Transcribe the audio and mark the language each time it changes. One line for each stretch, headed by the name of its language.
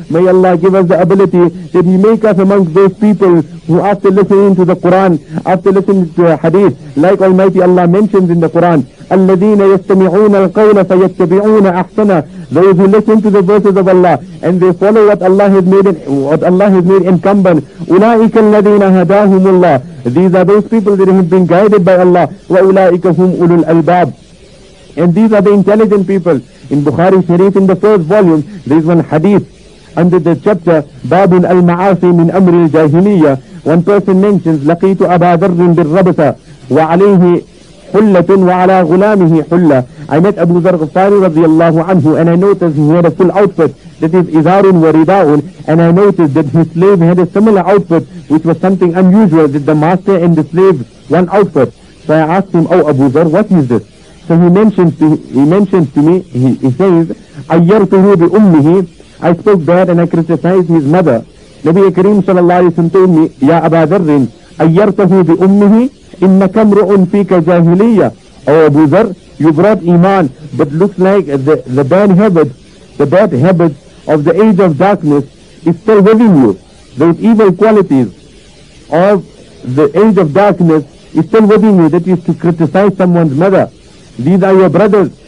English: May Allah give us the ability that He make us amongst those people who, after listening to the Quran, after listening to the Hadith, like Almighty Allah mentions in the Quran,
Arabic: الَّذِينَ يَسْتَمِعُونَ الْقَوْلَ فَيَتَّبِعُونَ أَحْسَنَ,
English: those who listen to the verses of Allah and they follow what Allah has made incumbent,
Arabic: أُولَٰئِكَ الَّذِينَ هَدَاهُمُ اللَّهِ,
English: these are those people that have been guided by Allah,
Arabic: وَأُولَٰئِكَ هُمْ أُولُو الْأَلْبَابِ,
English: and these are the intelligent people. In Bukhari Sharif, in the first volume, there is one hadith under the chapter
Arabic: بَابٌ الْمَعَاصِي مِنْ أَمْرِ الْجَاهِلِيَّةِ.
English: One person mentions,
Arabic: لَقِيتُ أَبَا ذَرٍ بِالرَّبْثَ وَعَلَيْهِ حلة وعلى غلامه حلة.
English: I met Abu Dharr Ghaffari
Arabic: رضي الله عنه,
English: and I noticed he had a full outfit, that is
Arabic: إزار ورداء,
English: and I noticed that his slave had a similar outfit, which was something unusual, that the master and the slave one outfit. So I asked him, oh Abu Dharr, what is this? So he says
Arabic: أيرته بأمه,
English: I spoke bad and I criticized his mother.
Arabic: نبي كريم صلى الله عليه وسلم
English: told me,
Arabic: يا أبا ذر أيرته بأمه, إنك امرء فيك جاهلية.
English: Oh Abu Dharr, you brought Iman, but looks like the bad habit of the age of darkness is still within you. Those evil qualities of the age of darkness is still within you. That is to criticize someone's mother. These are your brothers.